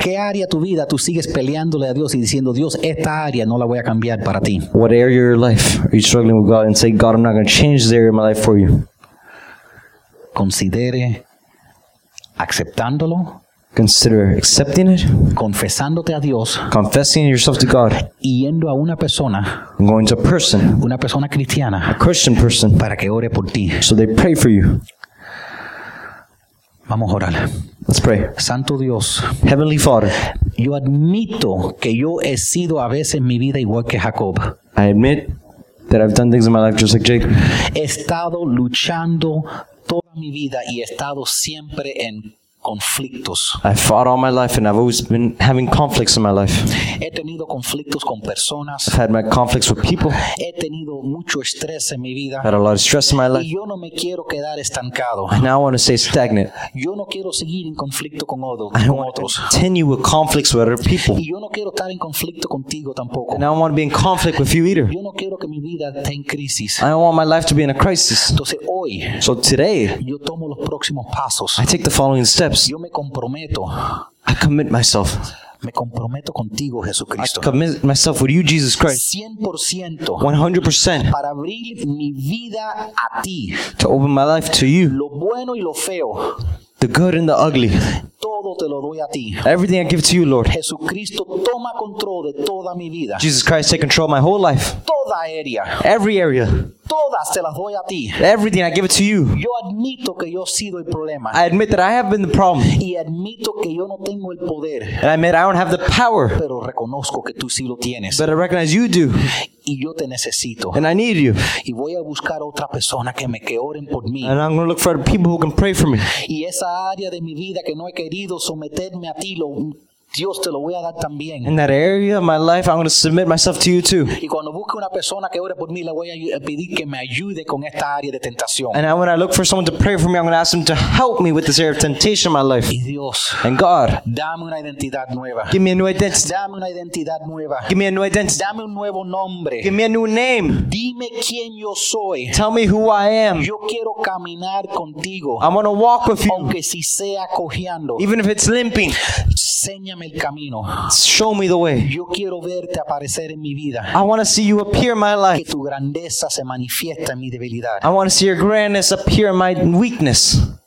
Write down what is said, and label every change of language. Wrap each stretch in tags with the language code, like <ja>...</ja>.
<es>¿Qué área de tu vida tú sigues peleándole a Dios y diciendo, Dios, esta área no la voy a cambiar para ti?</es> <en>What area of your life are you struggling with God and say, God, I'm not going to change this area of my life for you?</en> <es>Considere aceptándolo.</es> <en>Consider accepting it.</en> <es>Confesándote a Dios.</es> <en>Confessing yourself to God.</en> <es>Yendo a una persona.</es> <en>Going to a person.</en> <es>Una persona cristiana.</es> <en>A Christian person.</en> <es>Para que ore por ti.</es> <en>So they pray for you.</en> <es>Vamos a orar.</es> <en>Let's pray.</en> <es>Santo Dios.</es> <en>Heavenly Father.</en> <es>Yo admito que yo he sido a veces en mi vida igual que Jacob.</es> <en>I admit that I've done things in my life just like Jacob.</en> <es>He estado luchando toda mi vida y he estado siempre en conflictos.</es> <en>I fought all my life and I've always been having conflicts in my life.</en> <es>He tenido conflictos con personas.</es> <en>I've had my conflicts with people.</en> <es>He tenido mucho estrés en mi vida.</es> <en>I've had a lot of stress in my life.</en> <es>Y yo no me quiero quedar estancado.</es> <en>And I want to stay stagnant.</en> <es>Yo no quiero seguir en conflicto con otros.</es> <en>I don't want to continue with conflicts with other people.</en> <es>Y yo no quiero estar en conflicto contigo tampoco.</es> <en>And I don't want to be in conflict with you either.</en> <es>Yo no quiero que mi vida esté en crisis.</es> <en>I don't want my life to be in a crisis.</en> <es>Entonces, hoy,</es> <en>so today,</en> <es>yo tomo los próximos pasos.</es> <en>I take the following steps.</en> <es>Yo me comprometo.</es> <en>I commit myself.</en> <es>Me comprometo contigo, Jesucristo.</es> <en>I commit myself with you, Jesus Christ.</en> <es>100%.</es> <en>100%.</en> <es>Para abrir mi vida a ti.</es> <en>To open my life to you.</en> <es>Lo bueno y lo feo.</es> <en>The good and the ugly.</en> <es>Todo te lo doy a ti.</es> <en>Everything I give to you, Lord.</en> <es>Jesucristo, toma control de toda mi vida.</es> <en>Jesus Christ, take control of my whole life.</en> <es>Toda área.</es> <en>Every area.</en> <es>Todas te las doy a ti.</es> <en>Everything I give it to you.</en> <es>Yo admito que yo he sido el problema.</es> <en>I admit that I have been the problem.</en> <es>Y admito que yo no tengo el poder.</es> <en>And I admit I don't have the power.</en> <es>Pero reconozco que tú sí lo tienes.</es> <en>But I recognize you do.</en> <es>Y yo te necesito.</es> <en>And I need you.</en> <es>Y voy a buscar otra persona que oren por mí.</es> <en>And I'm going to look for other people who can pray for me.</en> <es>Y esa área de mi vida que no he querido someterme a ti, Dios te lo voy a dar también.</es> <en>In that area of my life, I'm going to submit myself to you too.</en> <es>Y cuando busque una persona que ore por mí, le voy a pedir que me ayude con esta área de tentación.</es> <en>And when I look for someone to pray for me, I'm going to ask them to help me with this area of temptation in my life.</en> <es>Y Dios.</es> <en>And God.</en> <es>Dame una identidad nueva.</es> <en>Give me a new identity.</en> <es>Dame una identidad nueva.</es> <en>Give me a new identity.</en> <es>Dame un nuevo nombre.</es> <en>Give me a new name.</en> <es>Dime quién yo soy.</es> <en>Tell me who I am.</en> <es>Yo quiero caminar contigo.</es> <en>I want to walk with you.</en> <es>Aunque si sea cojeando.</es> <en>Even if it's limping.</en> <es>Enséñame el camino.</es> <en>Show me the way.</en> <es>Yo quiero verte aparecer en mi vida.</es> <en>I want to see you appear in my life.</en> <es>Que tu grandeza se manifiesta en mi debilidad.</es> <en>I want to see your grandness appear in my weakness.</en>